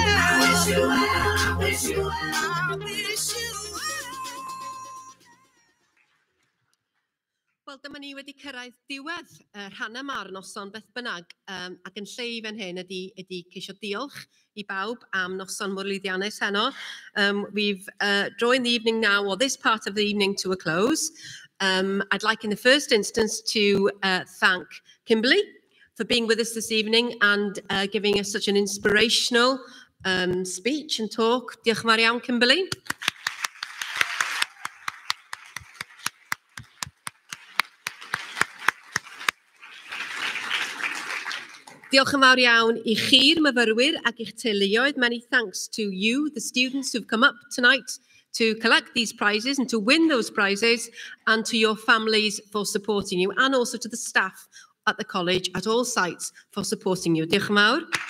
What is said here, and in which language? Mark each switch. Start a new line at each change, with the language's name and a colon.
English: I wish you well. I wish you well.
Welsh: Wel, dyma ni wedi cyrraedd diwedd rhan yma ar noson beth bynnag, ac yn lle i fan hyn ydy ceisio diolch i bawb am noson mor lwyddiannus heno.
English: We've drawn the evening now, or this part of the evening, to a close. I'd like in the first instance to thank Kimberly for being with us this evening and giving us such an inspirational speech and talk.
Welsh: Diolch yn fawr iawn, Kimberly. Diolch yn fawr iawn I chi'r myfyrwyr ac i'ch teuluoedd.
English: Many thanks to you, the students who've come up tonight to collect these prizes and to win those prizes, and to your families for supporting you, and also to the staff at the college at all sites for supporting you.
Welsh: Diolch yn fawr.